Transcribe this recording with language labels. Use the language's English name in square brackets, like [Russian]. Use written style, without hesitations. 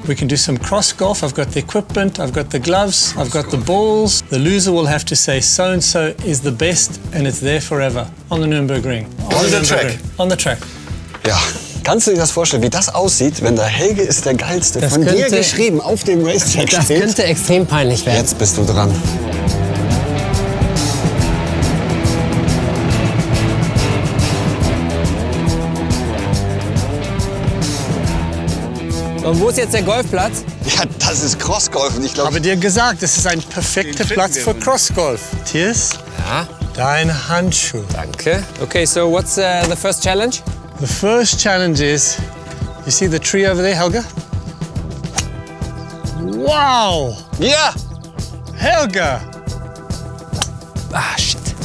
[English] We can do some cross golf. I've got the equipment, I've got the gloves, I've got the balls. The loser will have to say so-and-so is the best and it's there forever on the Nürburgring. On the track. On the track. Yeah. [German] Kannst du dir das vorstellen, wie das aussieht, wenn der Helge ist der Geilste, von dir geschrieben, auf dem Racetrack steht? Das könnte extrem peinlich werden. Jetzt bist du dran. Und wo ist jetzt der Golfplatz? Ja, das ist Crossgolfen, ich glaube. Ich habe dir gesagt, das ist ein perfekter Platz für Crossgolf. Tiers? Ja. Dein Handschuh. Danke. [English] Okay, so what's the first challenge? The first challenge is, you see the tree over there, Helge? Wow! Yeah! Helge! Ah, shit.